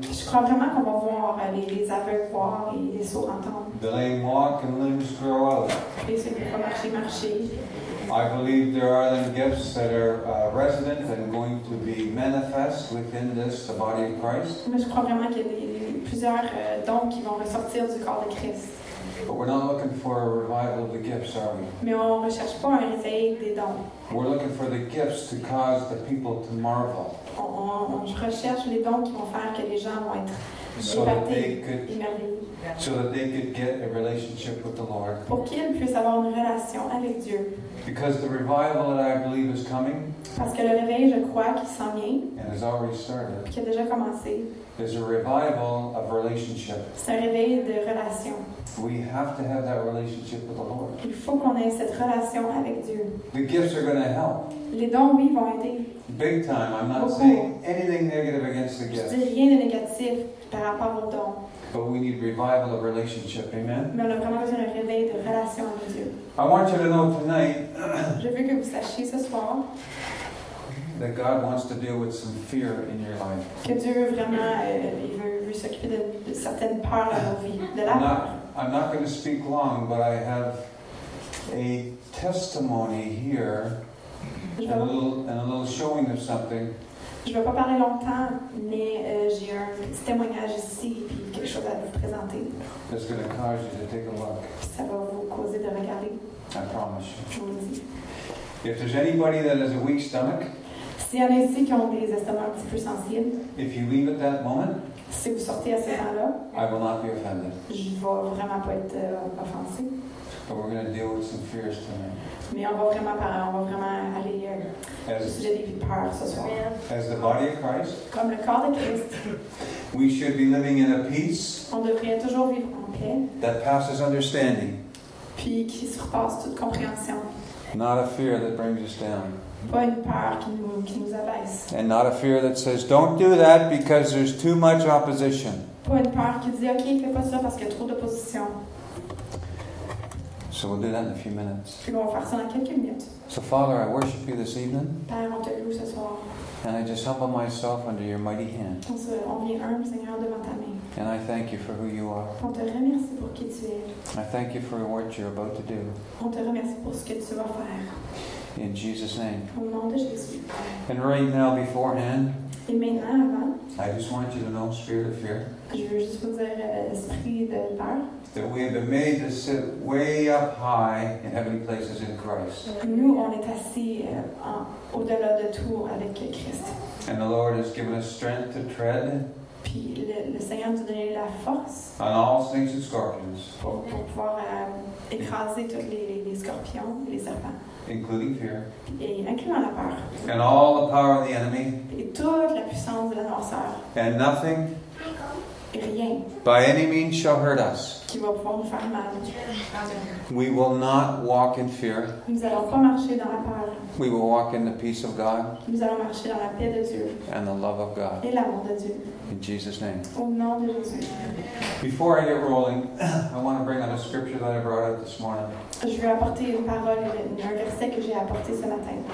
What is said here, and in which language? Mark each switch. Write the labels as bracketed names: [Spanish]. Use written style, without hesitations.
[English] The lame walk and limbs grow out. I believe there are then gifts that are resident and going to be manifest within this, the body of Christ. But we're not looking for a revival of the gifts, are we? [French] Mais on recherche pas un réveil des dons. [English] We're looking for the gifts to cause the people to marvel. [French] On recherche les dons qui vont faire que les gens vont être [English] so that they could get a relationship with the Lord. [French] Pour qu'ils puissent avoir une relation avec Dieu. [English] Because the revival that I believe is coming. [French] Parce que le réveil, je crois, qui s'en vient. [English] And has already started. [French] Qui a déjà commencé. [English] There's a revival of relationship. [French] C'est un réveil de relation. [English] We have to have that relationship with the Lord. [French] Il faut qu'on ait cette relation avec Dieu. [English] The gifts are going to help. [French] Les dons, oui, vont aider. [English] Big time. I'm not beaucoup. Saying anything negative against the gifts. [French] Je dis rien de négatif par rapport aux dons. [English] But we need revival of relationship. Amen. [French] Mais on a vraiment besoin d'un réveil de relation avec Dieu. [English] I want you to know tonight. [French] Je veux que vous sachiez ce soir. [English] That God wants to deal with some fear in your life. [French] Que Dieu veut s'occuper de certaines peurs dans vos vies, de la peur. [English] I'm not going to speak long, but I have a testimony here and a little showing of something. [French] Je ne vais pas parler longtemps, mais j'ai un petit témoignage ici et quelque chose à vous présenter. [English] That's going to cause you to take a look. [French] Ça va vous causer de regarder. [English] I promise you. [French] Je vous le dis. [English] If there's anybody that has a weak stomach, [French] s'il y en a ici qui ont des estomacs un petit peu sensibles, [English] if you leave at that moment, [French] si vous sortez à ce moment-là, [English] I will not be offended. [French] Je ne vais vraiment pas être offensé. [English] But we're going to deal with some fears tonight. [French] Mais on va vraiment aller au sujet des peurs ce soir. [English] As the body of Christ, [French] comme le corps de Christ, [English] we should be living in a peace, [French] on devrait toujours vivre en paix, [English] that passes understanding, [French] puis qui surpasse toute compréhension. [English] Not a fear that brings us down. [French] Pas une peur qui nous abaisse. [English] And not a fear that says, don't do that because there's too much opposition. [French] Pas une peur qui dit, OK, fais pas ça parce qu'il y a trop d'opposition. [English] So we'll do that in a few minutes. [French] Puis on va faire ça dans quelques minutes. [English] So Father, I worship you this evening. [French] Père, on te loue ce soir. [English] And I just humble myself under your mighty hand. [French] On vient humble, Seigneur, devant ta main. [English] And I thank you for who you are. [French] On te remercie pour qui tu es. [English] I thank you for what you're about to do. [French] On te remercie pour ce que tu vas faire. [English] In Jesus' name. [French] Au nom de Jésus. [English] And right now, beforehand. [French] Et maintenant, avant. [English] I just want you to know, spirit of fear. [French] Je veux juste vous dire, esprit de peur. [English] That we have been made to sit way up high in heavenly places in Christ. [French] Nous, on est assis au-delà de tout avec Christ. [English] And the Lord has given us strength to tread. [French] Puis le Seigneur nous a donné la force. [English] On all snakes and scorpions. [French] Pour pouvoir écraser tous les scorpions et les serpents. [English] Including fear. [French] Et incluant la peur. [English] And all the power of the enemy. [French] Et toute la puissance de l'adversaire. [English] And nothing. [French] Rien. [English] By any means shall hurt us. [French] Qui va pouvoir nous faire mal. [English] We will not walk in fear. [French] Nous allons pas marcher dans la peur. [English] We will walk in the peace of God. [French] Nous allons marcher dans la paix de Dieu. [English] And the love of God. [French] Et l'amour de Dieu. [English] In Jesus' name. [French] Au nom de Jésus. [English] Before I get rolling, I want to bring out a scripture that I brought out this morning. [French] Je vais apporter une parole, un verset que j'ai apporté ce matin.